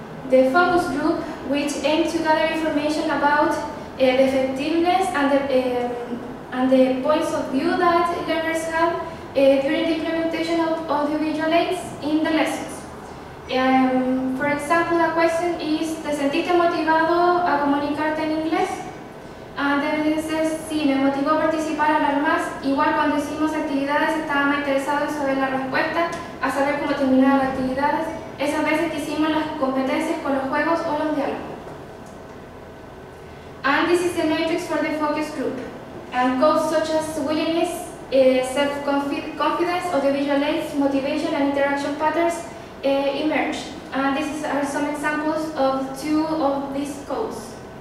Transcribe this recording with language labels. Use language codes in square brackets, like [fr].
[en] The focus group, which aims to gather information about the effectiveness and the points of view that learners have during the implementation of audiovisual aids in the lessons. For example, a question is, [es] ¿te sentiste motivado a comunicarte en inglés? [en] And then it says, [es] sí, me motivó a participar a hablar más. Igual cuando hicimos actividades, estaba más interesado en saber la respuesta, a saber cómo terminar las actividades. Esas veces que hicimos las competencias con los juegos o los diálogos. [en] And this is the matrix for the focus group. And goals such as willingness, self-confidence, audiovisual aids, motivation, and interaction patterns emerge. And these are some examples of two of these goals.